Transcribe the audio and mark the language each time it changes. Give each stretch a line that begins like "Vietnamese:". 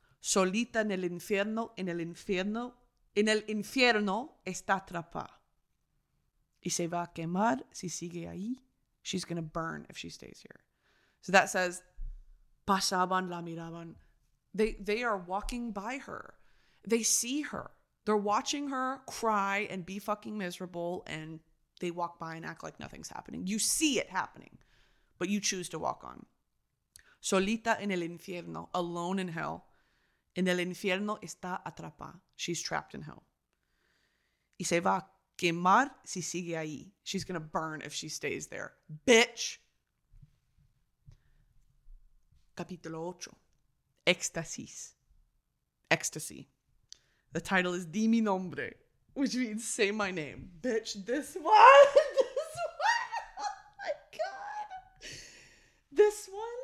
Spanish: Solita en el infierno, en el infierno, en el infierno está atrapada. Y se va a quemar si sigue ahí.
English: She's going to burn if she stays here. So that says,
Spanish: pasaban, la miraban.
English: They are walking by her. They see her. They're watching her cry and be fucking miserable, and they walk by and act like nothing's happening. You see it happening, but you choose to walk on.
Spanish: Solita en el infierno,
English: alone in hell.
Spanish: En el infierno está atrapada.
English: She's trapped in hell.
Spanish: Y se va a quemar si sigue ahí.
English: She's going to burn if she stays there. Bitch!
Spanish: Capítulo 8. Éxtasis. Ecstasy.
English: The title is Di mi nombre, which means say my name. Bitch, this one! This one! Oh my God! This one?